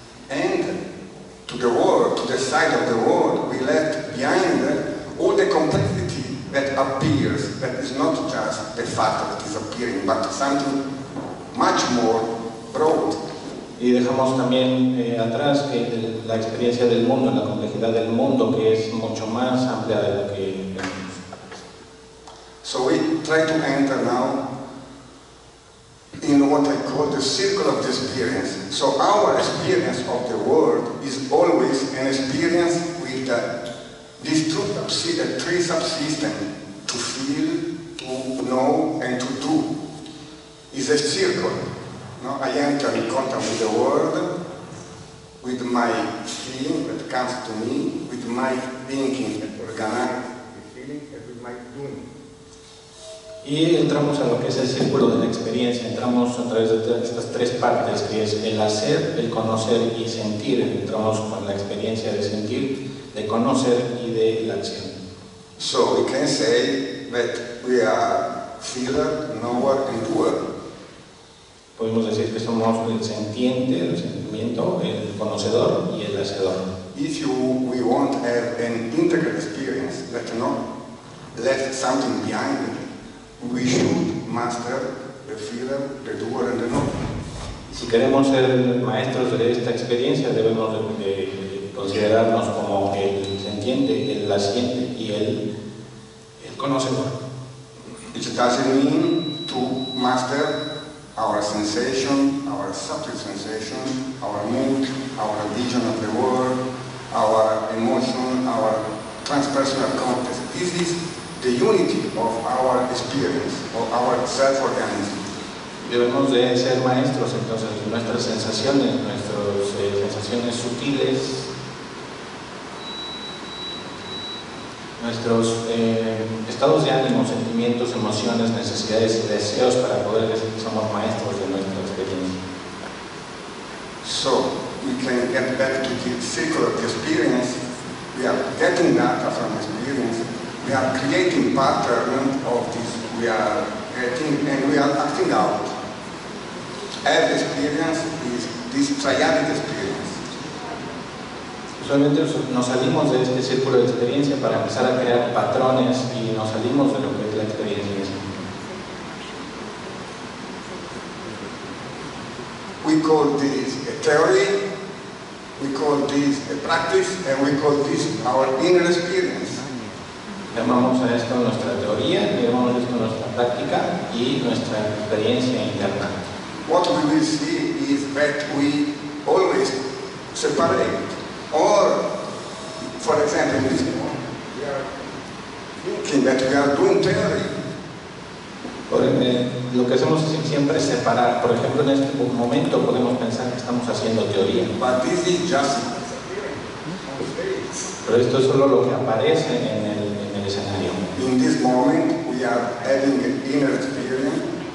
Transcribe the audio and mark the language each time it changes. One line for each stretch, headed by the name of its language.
English: And to the world, to the side of the world, we left behind all the complexity that appears, that is not just the fact of disappearing, but something much more broad.
Spanish: Y dejamos también atrás que la experiencia del mundo, la complejidad del mundo, que es mucho más amplia de lo que vemos.
English: So we try to enter now in what I call the circle of the experience. So our experience of the world is always an experience with these three subsystems, to feel, to know, and to do. It's a circle. No, I enter in contact with the world, with my feeling that comes to me, with my thinking that organizes the feeling, and with my doing.
Spanish: Y entramos a lo que es el círculo de la experiencia, entramos a través de estas tres partes, que es el hacer, el conocer y sentir. Entramos con la experiencia de sentir, de conocer y de la acción.
English: So we can say that we are feeler, knower and doer.
Spanish: Podemos decir que somos el sentiente, el sentimiento, el conocedor y el hacedor.
English: If we want to have an integral experience, let not left something behind it. We should master the feeler, the doer, and the knower.
Spanish: Si queremos ser maestros de esta experiencia, debemos de considerarnos como el sentiente, el haciente y el conocedor.
English: It doesn't mean to master our sensation, our subtle sensation, our mood, our vision of the world, our emotion, our transpersonal context. This is the unity of our experience, of our self-organism.
Spanish: Debemos de ser maestros entonces de nuestras sensaciones, nuestras sensaciones sutiles, nuestros estados de ánimo, sentimientos, emociones, necesidades y deseos para poder decir que somos maestros de nuestra experiencia.
English: So, we can get back to the circle of the experience. We are getting data from experience. We are creating patterns of this, we are getting, and we are acting out. Every experience is this triadic experience.
Spanish: Usualmente nos salimos de este círculo de experiencia para empezar a crear patrones y nos salimos de lo que es la experiencia.
English: call this a theory, we call this a practice, and we call this our inner experience.
Spanish: Llamamos a esto nuestra teoría, llamamos esto nuestra práctica y nuestra experiencia interna.
English: What we will see is that we always separate, or, for example, in this moment, we are thinking that we are doing theory.
Spanish: Lo que hacemos es siempre separar. Por ejemplo, en este momento podemos pensar que estamos haciendo teoría.
English: But this is just on stage.
Spanish: Pero esto es solo lo que aparece en el escenario.
English: In this moment we are adding an inner experience.